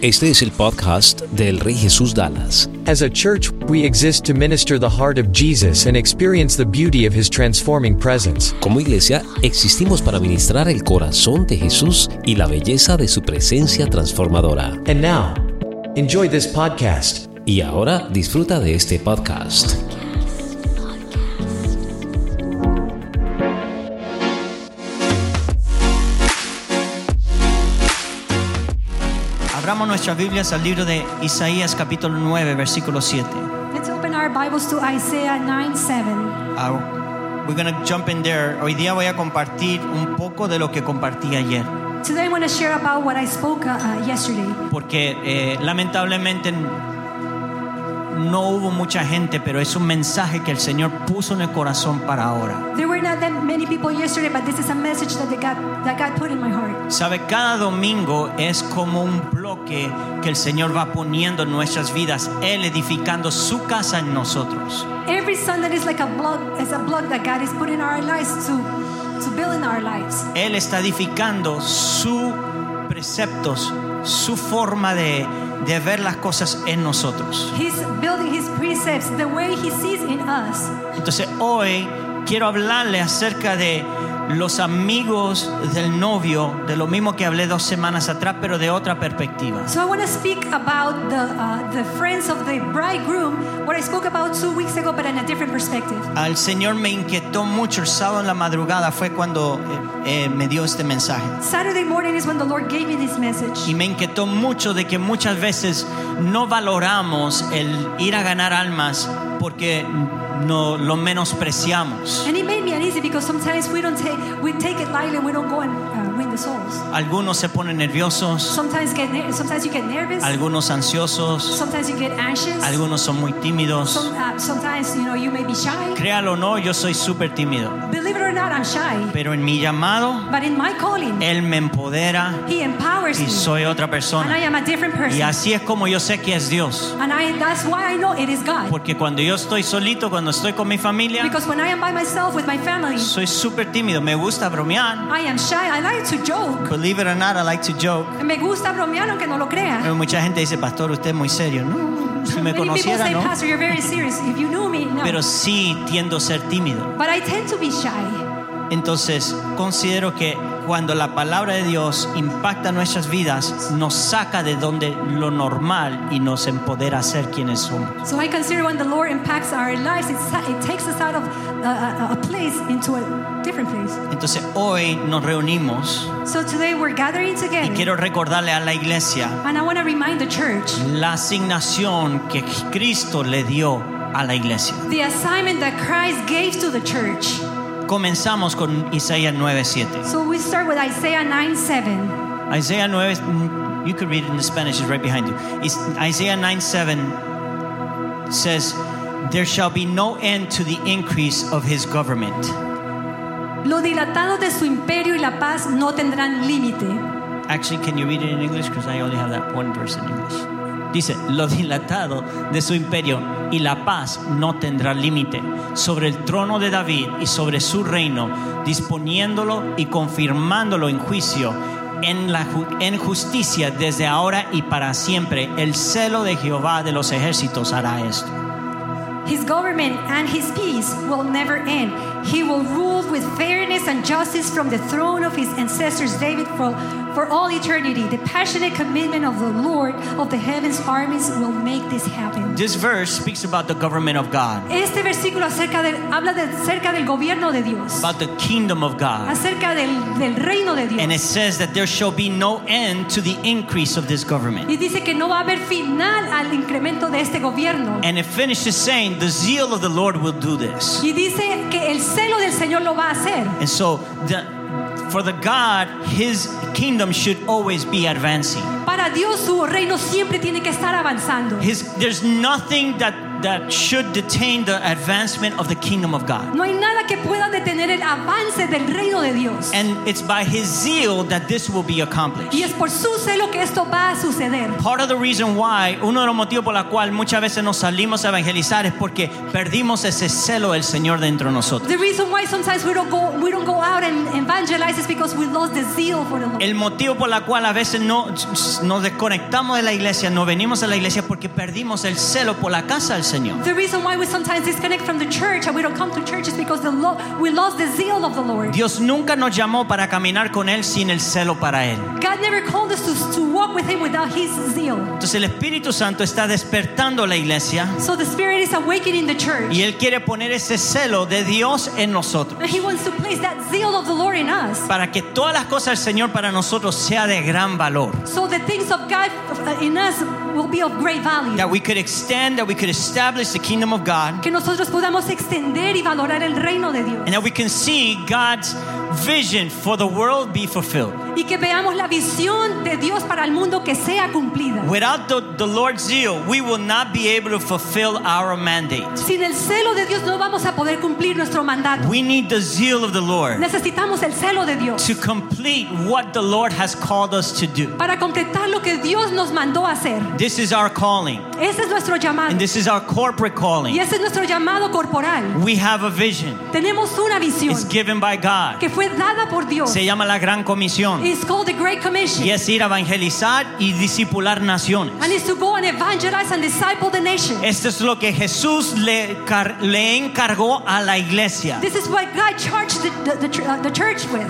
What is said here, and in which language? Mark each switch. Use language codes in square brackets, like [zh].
[es] Este es el podcast del Rey Jesús Dallas. [en] As a church, we exist to minister the heart of Jesus and experience the beauty of His transforming presence. [es] Como iglesia, existimos para ministrar el corazón de Jesús y la belleza de su presencia transformadora. [en] And now, enjoy this podcast. [es] Y ahora, disfruta de este podcast. Abramos nuestras Biblias al libro de Isaías capítulo 9 versículo 7. [en] Let's open our Bibles to Isaiah 9:7. We're going to jump in there. [es] Hoy día voy a compartir un poco de lo que compartí ayer. [en] Today I want to share about what I spoke yesterday. [es] Porque lamentablemente no hubo mucha gente, pero es un mensaje que el Señor puso en el corazón para ahora. [en] There were not that many people yesterday, but this is a message that God put in my heart. [es] Sabe, cada domingo es como un bloque que el Señor va poniendo en nuestras vidas, Él edificando su casa en nosotros. [en] Every Sunday is like a block, is a block that God is putting in our lives to build in our lives. [es] Él está edificando sus preceptos, su forma de ver las cosas en nosotros. [en] He's building his precepts the way he sees in us. [es] Entonces hoy quiero hablarle acerca de los amigos del novio, de lo mismo que hablé dos semanas atrás, pero de otra perspectiva. [en] So I want to speak about the friends of the bridegroom, what I spoke about 2 weeks ago, but in a different perspective. [es] Al Señor me inquietó mucho el sábado en la madrugada, fue cuando me dio este mensaje. [en] Saturday morning is when the Lord gave me this message. [es] Y me inquietó mucho de que muchas veces no valoramos el ir a ganar almas porque no lo menospreciamos. [en] And it made me uneasy because sometimes we take it lightly and we don't go and win the souls. [es] Algunos se ponen nerviosos. [en] Sometimes you get nervous. [es] Algunos ansiosos. [en] Sometimes you get anxious. [es] Algunos son muy tímidos. [en] Sometimes you know you may be shy. [es] Créalo o no, yo soy súper tímido. [en] Believe it or not, I'm shy. [es] Pero en mi llamado, [en] but in my calling, [es] Él me empodera. [en] He empowers [es] y [en] me. [es] Y soy otra persona. [en] And I am a different person. [es] Y así es como yo sé que es Dios. [en] And that's why I know it is God. [es] Porque cuando yo estoy solito, cuando estoy con mi familia, [en] because when I am by myself with my family, [es] soy súper tímido. Me gusta bromear. [en] I am shy. I like to joke. Believe it or not, I like to joke. [es] Me gusta bromear aunque no lo crea. Pero mucha gente dice, pastor, usted es muy serio. No. Si me [en] Many [es] conociera, [en] people say, [es] ¿no? [en] Pastor, you're very serious. If you knew me, no. [es] Pero sí tiendo a ser tímido. [en] But I tend to be shy. [es] Entonces, considero que cuando la palabra de Dios impacta nuestras vidas, nos saca de donde lo normal y nos empodera a ser quienes somos. [en] So I consider when the Lord impacts our lives, it takes us out of a place into a different place. [es] Entonces hoy nos reunimos. [en] So today we're gathering together. [es] Y quiero recordarle a la iglesia. [en] And I want to remind the church. [es] La asignación que Cristo le dio a la iglesia. [en] The assignment that Christ gave to the church. [es] Comenzamos con Isaías 9:7. [en] So we start with Isaiah 9:7. Isaiah 9, you could read it in the Spanish, it's right behind you. Isaiah 9:7 says, there shall be no end to the increase of his government. [es] Lo dilatado de su imperio y la paz no tendrán límite. [en] Actually, can you read it in English? Because I only have that one verse in English. [es] Dice, lo dilatado de su imperio y la paz no tendrá límite sobre el trono de David y sobre su reino, disponiéndolo y confirmándolo en juicio, en justicia desde ahora y para siempre. El celo de Jehová de los ejércitos hará esto. [en] His government and his peace will never end. He will rule with fairness and justice from the throne of his ancestors David for all eternity. The passionate commitment of the Lord of the heavens armies will make this happen. This verse speaks about the government of God. [es] Este versículo acerca del habla de acerca del gobierno de Dios. [en] About the kingdom of God. [es] Acerca del reino de Dios. [en] And it says that there shall be no end to the increase of this government. [es] Y dice que no va a haber final al incremento de este gobierno. [en] And it finishes saying the zeal of the Lord will do this. [es] Y dice que el celo del Señor lo va a hacer. [en] And so for the God, his kingdom should always be advancing. [es] Para Dios, su reino siempre tiene que estar avanzando. [en] There's nothing that that should detain the advancement of the kingdom of God. [es] No hay nada que pueda detener el avance del reino de Dios. [en] And it's by his zeal that this will be accomplished. [es] Y es por su celo que esto va a suceder. [en] Part of the reason why, [es] uno de los motivos por la cual muchas veces nos salimos a evangelizar es porque perdimos ese celo del Señor dentro de nosotros. [en] The reason why sometimes we don't go out and evangelize is because we lost the zeal for the Lord. [es] El motivo por la cual a veces no nos desconectamos de la iglesia, no venimos a la iglesia porque perdimos el celo por la casa del Señor. [en] The reason why we sometimes disconnect from the church and we don't come to church is because we lost the zeal of the Lord. [es] Dios nunca nos llamó para caminar con él sin el celo para él. [en] God never called us to walk with him without his zeal. [es] Entonces el Espíritu Santo está despertando la iglesia. [en] So the Spirit is awakening the church. [es] Y él quiere poner ese celo de Dios en nosotros. [en] And he wants to place that zeal of the Lord in us. [es] Para que todas las cosas del Señor para nosotros sea de gran valor. [en] So the things of God in us will be of great value. That we could extend, that we could establish the kingdom of God. [es] Que nosotros podamos extender y valorar el reino de Dios. [en] And that we can see God's vision for the world be fulfilled. [es] Y que veamos la visión de Dios para el mundo que sea cumplida. [en] Without the Lord's zeal, we will not be able to fulfill our mandate. [es] Sin el celo de Dios no vamos a poder cumplir nuestro mandato. [en] We need the zeal of the Lord. [es] Necesitamos el celo de Dios. [en] To complete what the Lord has called us to do. [es] Para completar lo que Dios nos mandó a hacer. [en] This is our calling. [es] Ese es nuestro llamado. [en] And this is our corporate calling. [es] Y ese es nuestro llamado corporal. [en] We have a vision. [es] Tenemos una visión. [en] It's given by God. [es] Que fue dada por Dios. Se llama la Gran Comisión. [en] It's called the Great Commission. [es] Y es ir a evangelizar y discipular naciones. [en] And it's to go and evangelize and disciple the nations. [es] Esto es lo que Jesús le encargó a la iglesia. [en] This is what God charged the church with.